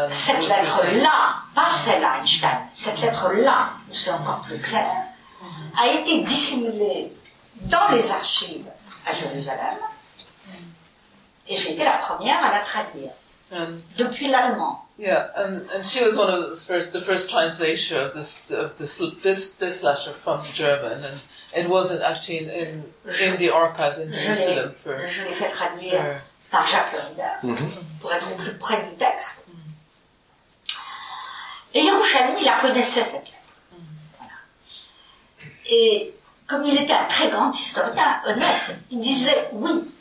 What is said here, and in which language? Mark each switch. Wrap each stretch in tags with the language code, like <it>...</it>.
<fr>cette lettre-là, pas celle d'Einstein, cette lettre-là, c'est encore plus clair, a été dissimulée dans les archives à Jérusalem, et j'ai été la première à la traduire, depuis l'allemand.</fr> <en>Yeah, and she was one of the first translator of this letter from German, and it wasn't actually in the archives in Jerusalem for...</en> <fr>Je l'ai fait traduire. Par Jacques Rinder, pour être au plus près du texte. Et Yerushalmi la connaissait, cette lettre. Voilà. Et comme il était un très grand historien, honnête, il disait oui.</fr>